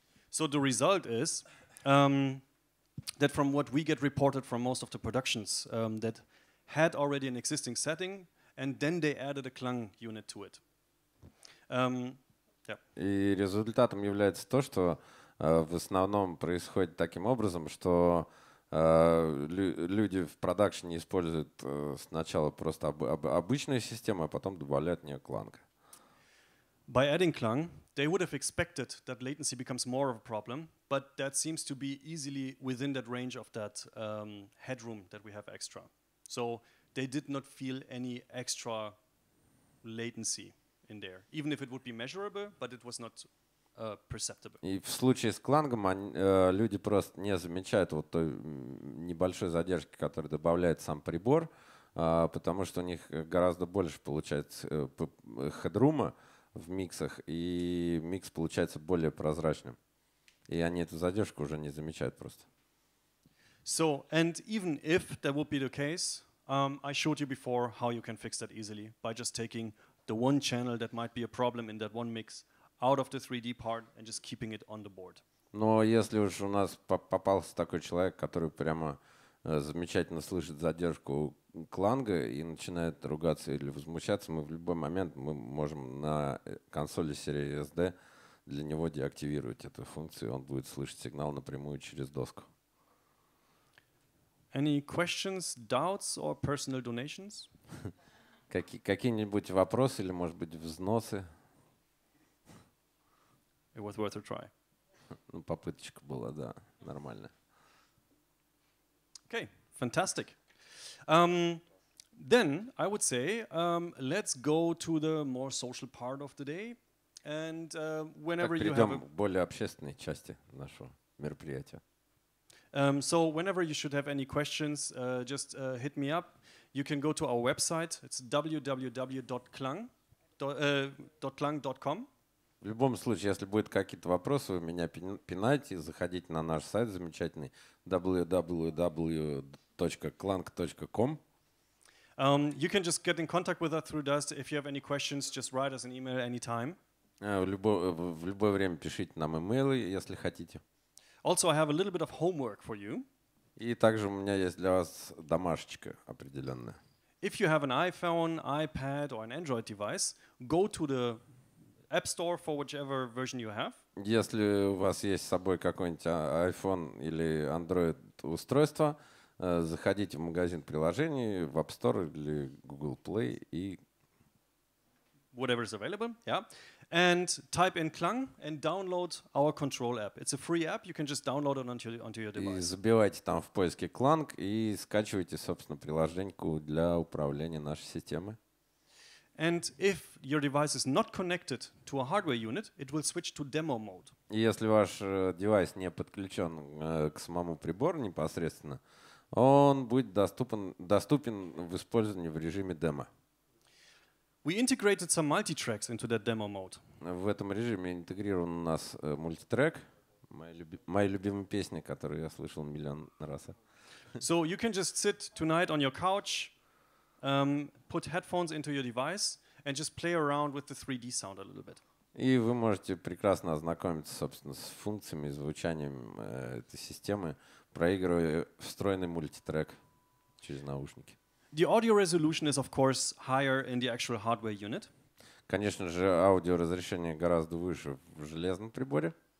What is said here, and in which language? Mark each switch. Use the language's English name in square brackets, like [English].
[English] So the result is that from what we get reported from most of the productions that had already an existing setting and then they added a KLANG unit to it. Yeah. [Russian] И результатом является то, что в основном происходит таким образом, что люди в продакшене используют сначала просто обычную систему, а потом добавляют в нее KLANG. [English] By adding KLANG, they would have expected that latency becomes more of a problem, but that seems to be easily within that range of that headroom that we have extra. So they did not feel any extra latency in there, even if it would be measurable, but it was not perceptible. [Russian] И в случае с клангом люди просто не замечают вот той небольшой задержки, которую добавляет сам прибор, потому что у них гораздо больше получается хедрума в миксах, и микс получается более прозрачным. И они эту задержку уже не замечают просто. [English] So, and even if that would be the case, I showed you before how you can fix that easily by just taking the one channel that might be a problem in that one mix out of the 3D part and just keeping it on the board. [Russian] Но если уж у нас попался такой человек, который прямо замечательно слышит задержку кланга и начинает ругаться или возмущаться, мы в любой момент мы можем на консоли серии SD для него деактивировать эту функцию, он будет слышать сигнал напрямую через доску. [English] Any questions, doubts or personal donations? [Russian] Какие-нибудь вопросы или, может быть, взносы? [English] It was worth a try. [Russian] Ну, попыточка была, да, нормальная. [English] Okay, fantastic. Then I would say let's go to the more social part of the day. And whenever [Russian] так, [English] you have [Russian] к более общественной части нашего мероприятия. [English] So whenever you should have any questions, just hit me up. You can go to our website. It's www.klang.com. [Russian] В любом случае, если будут какие-то вопросы, вы меня пинайте, заходите на наш сайт замечательный www.klang.com. [English] You can just get in contact with us through Dust. If you have any questions, just write us an email anytime. [Russian] В любое время пишите нам имейлы, если хотите. [English] Also, I have a little bit of homework for you. [Russian] И также у меня есть для вас домашечка определенная. [English] If you have an iPhone, iPad or an Android device, go to the App Store for whichever version you have. [Russian] Если у вас есть с собой какой-нибудь iPhone или Android устройство, заходите в магазин приложений в App Store или Google Play и [English] whatever is available, yeah. And type in KLANG and download our control app. It's a free app. You can just download it onto your device. [Russian] И забивайте там в поиске KLANG и скачивайте собственно приложеньку для управления нашей системой. [English] And if your device is not connected to a hardware unit, it will switch to demo mode. [Russian] Если ваш девайс не подключен к самому прибору непосредственно, он будет доступен в использовании в режиме демо. [English] We integrated some multi-tracks into that demo mode. [Russian] В этом режиме интегрирован у нас мультитрек, моя любимая песня, которую я слышал миллион раз. [English] So you can just sit tonight on your couch, put headphones into your device and just play around with the 3D sound a little bit. [Russian] И вы можете прекрасно ознакомиться, собственно, с функциями, звучанием этой системы, проигрывая встроенный мультитрек через наушники. [English] The audio resolution is, of course, higher in the actual hardware unit. [Russian] Конечно же, аудиоразрешение гораздо выше в железном приборе.